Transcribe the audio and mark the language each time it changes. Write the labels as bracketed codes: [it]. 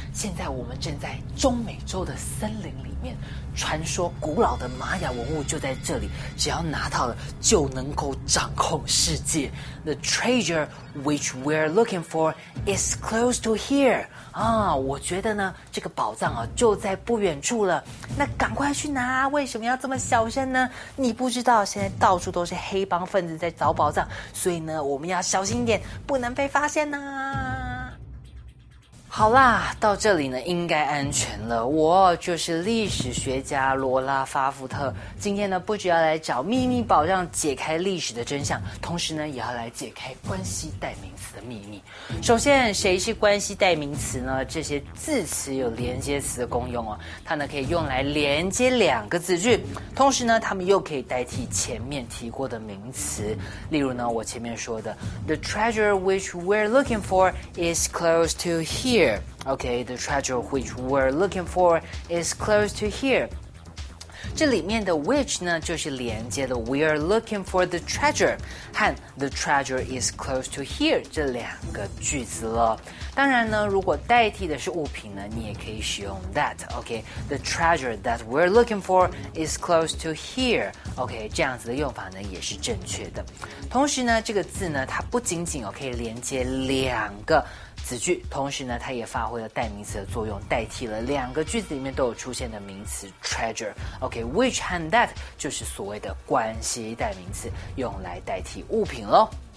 [zh] 现在我们正在中美洲的森林里面，传说古老的玛雅文物就在这里，只要拿到了就能够掌控世界。 [en] The treasure which we're looking for is close to here. [zh] 啊，我觉得呢，这个宝藏啊就在不远处了。那赶快去拿，为什么要这么小声呢？你不知道现在到处都是黑帮分子在找宝藏，所以呢，我们要小心一点，不能被发现呢。好啦，到这里呢应该安全了。我就是历史学家罗拉·法福特，今天呢不只要来找秘密宝藏，解开历史的真相，同时呢也要来解开关系代名词的秘密。首先，谁是关系代名词呢？这些字词有连接词的功用哦，它呢可以用来连接两个子句，同时呢它们又可以代替前面提过的名词。例如呢，我前面说的 [en] The treasure which we're looking for is close to here. Okay, the treasure which we're looking for is close to here. [zh] 这里面的 which 呢，就是连接的 [en] we are looking for the treasure [zh] 和 [en] the treasure is close to here [zh] 这两个句子了。当然呢，如果代替的是物品呢，你也可以使用 that. [en] Okay, the treasure that we're looking for is close to here. [zh] Okay, 这样子的用法呢，也是正确的。同时呢，这个字呢，它不仅仅可以连接两个子句，同时呢它也发挥了代名词的作用，代替了两个句子里面都有出现的名词 treasure. OK, which and that 就是所谓的关系代名词，用来代替物品咯。